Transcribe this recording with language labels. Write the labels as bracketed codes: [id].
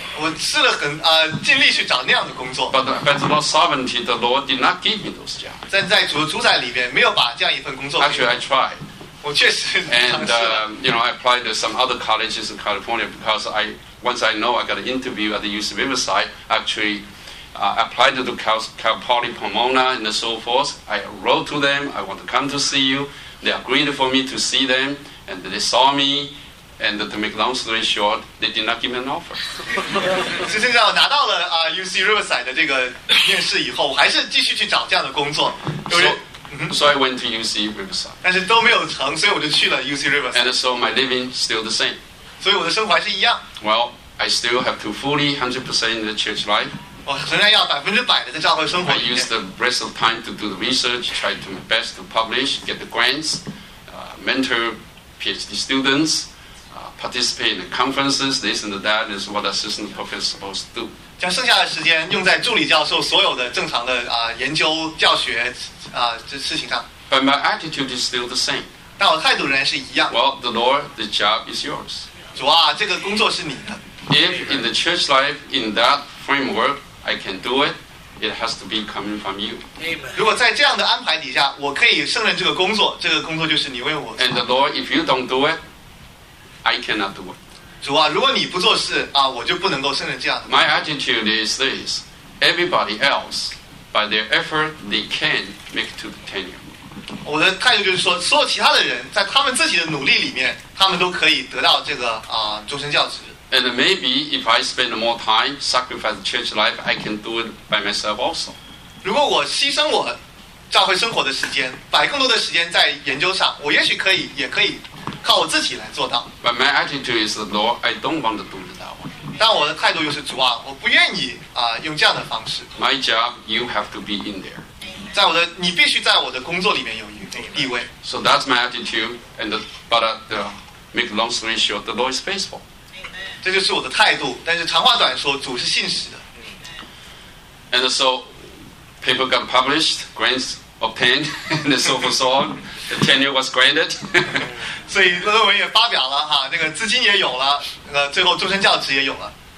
[zh] 我试了很尽力去找那样的工作。 [en] But the Lord's sovereignty, the Lord did not give me those jobs. [zh] 在主的主宰里面，没有把这样一份工作。 [en] Actually, I tried. [zh] 我确实尝试了。 [en] And you know, I applied to some other colleges in California because I know I got an interview at the UC Riverside. Actually, applied to Cal Poly Pomona and so forth. I wrote to them. I want to come to see you. They agreed for me to see them, and they saw me, and to make long story short, they did not give me an offer. [zh] 实际上，我拿到了UC Riverside 的这个面试以后，我还是继续去找这样的工作。 [en] So I went to UC Riverside. [zh] 但是都没有成，所以我就去了 UC Riverside. [en] And so my living still the same. [zh] 所以我的生活还是一样。 [en] Well, I still have to fully 100% in the church life. [zh] 我仍然要100%的在教会生活。 [en] I use the rest of time to do the research, try to my best to publish, get the grants, mentor PhD students, participate in the conferences, this and that is what assistant professor is supposed to do. [zh] 将剩下的时间用在助理教授所有的正常的研究教学这事情上。 [en] But my attitude is still the same. [zh] 但我的态度仍然是一样。 [en] Well, the Lord, the job is yours. [zh] 主啊，这个工作是你的。 [en] If in the church life, in thatframework, I can do it. It has to be coming from you. Amen. [zh] 如果在这样的安排底下，我可以胜任这个工作，这个工作就是你为我。 [en] And the Lord, if you don't do it, I cannot do it. [zh] 主啊，如果你不做事我就不能够胜任这样的。 [en] My attitude is this: everybody else, by their effort, they can make it to the tenure. [zh] 我的态度就是说，所有其他的人在他们自己的努力里面，他们都可以得到这个终身教职。 [en] And maybe if I spend more time sacrifice church life, I can do it by myself also. [zh] 如果我牺牲我教会生活的时间，摆更多的时间在研究上，我也许可以，也可以靠我自己来做到。 [en] But my attitude is, Lord, I don't want to do it that way. [zh] 但我的态度就是主啊，我不愿意用这样的方式。 [en] My job, you have to be in there. [zh] 在我的，你必须在我的工作里面有地位。 [en] So that's my attitude, and but make long story short, the Lord is faithful. [zh] 这就是我的态度，但是长话短说，主是信实的。 [en] And so, paper got published, grants obtained, and so forth, so on. The tenure was granted. [zh] 所以论文也发表了哈，那个资金也有了，那个最后终身教职也有了。